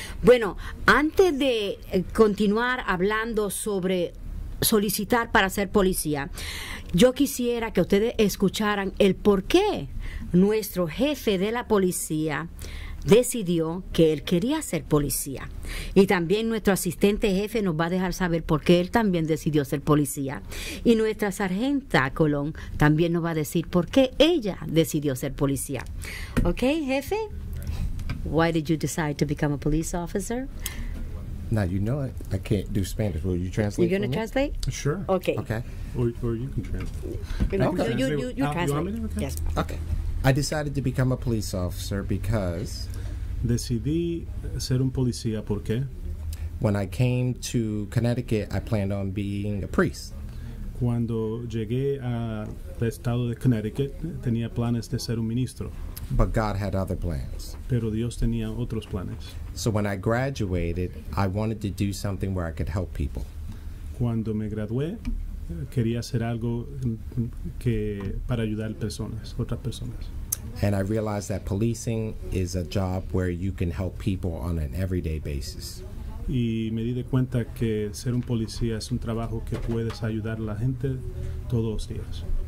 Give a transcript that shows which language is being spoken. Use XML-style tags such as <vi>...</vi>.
<es>Bueno, antes de continuar hablando sobre solicitar para ser policía, yo quisiera que ustedes escucharan el por qué nuestro jefe de la policía decidió que él quería ser policía. Y también nuestro asistente jefe nos va a dejar saber por qué él también decidió ser policía. Y nuestra sargenta Colón también nos va a decir por qué ella decidió ser policía. Ok, jefe.</es> <en>Why did you decide to become a police officer? Now you know it. I can't do Spanish. Will you translate? You're going to translate? Sure. Okay. Okay. Or you can translate. Okay. You translate. You want me to? Okay. Yes. Okay. I decided to become a police officer because...</en> <es>Decidí ser un policía, ¿por qué?</es> <en>When I came to Connecticut, I planned on being a priest.</en> <es>Cuando llegué al estado de Connecticut, tenía planes de ser un ministro.</es> <en>But God had other plans.</en> <es>Pero Dios tenía otros planes.</es> <en>So when I graduated, I wanted to do something where I could help people.</en> <es>Cuando me gradué, quería hacer algo que para ayudar personas, otras personas.</es> <en>And I realized that policing is a job where you can help people on an everyday basis.</en> <es>Y me di de cuenta que ser un policía es un trabajo que puedes ayudar a la gente todos los días.</es>